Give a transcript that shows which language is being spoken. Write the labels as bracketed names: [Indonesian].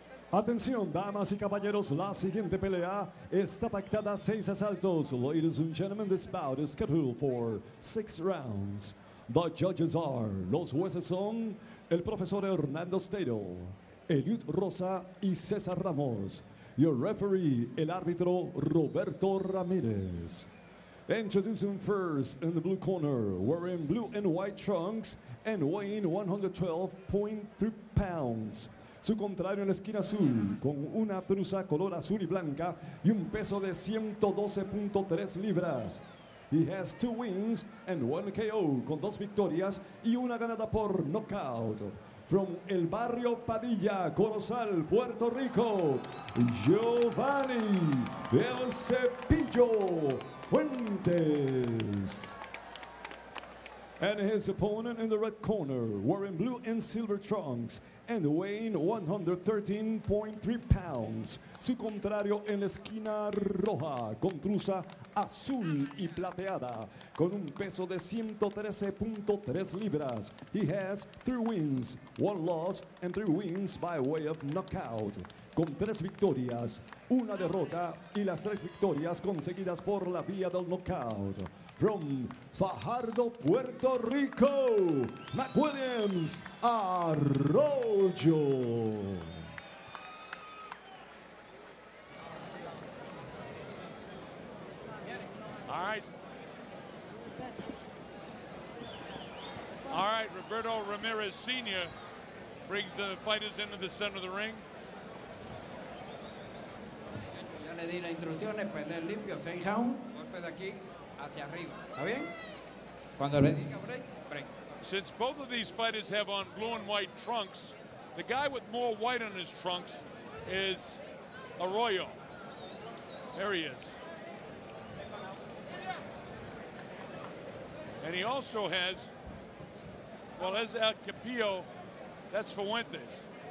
[Spanish] Atención, damas y caballeros, la siguiente pelea está pactada a 6 asaltos. [English] Ladies and gentlemen, this bout is scheduled for 6 rounds. The judges are, [Spanish] los jueces son, el profesor Hernando Stato, Eliud Rosa y César Ramos. [English] Your referee, [Spanish] el árbitro Roberto Ramírez. [English] Introducing first in the blue corner, wearing blue and white trunks and weighing 112.3 pounds. [Spanish] Su contrario en la esquina azul, con una trusa color azul y blanca y un peso de 112.3 libras. [English] He has 2 wins and 1 KO, [Spanish] con 2 victorias y una ganada por knockout. [English] From el barrio Padilla, Corozal, Puerto Rico, Jiovanne El Cepillo Fuentes. And his opponent in the red corner, wearing blue and silver trunks, and weighing 113.3 pounds. [Spanish] Su contrario en la esquina roja, con trusa azul y plateada, con un peso de 113.3 libras. [English] He has 3 wins, 1 loss, and 3 wins by way of knockout. [Spanish] Con 3 victorias, 1 derrota, y las 3 victorias conseguidas por la vía del knockout. [English] From Fajardo, Puerto Rico, McWilliams Arroyo. All right, Roberto Ramirez Sr. brings the fighters into the center of the ring. [Spanish] Ya le di las instrucciones, pelea limpio, seis rounds, golpe de aquí hacia arriba, ¿está bien? Cuando le diga break, break. [English] Since both of these fighters have on blue and white trunks, the guy with more white on his trunks is Arroyo. There he is. And he also has, well, as El Capillo, that's Fuentes.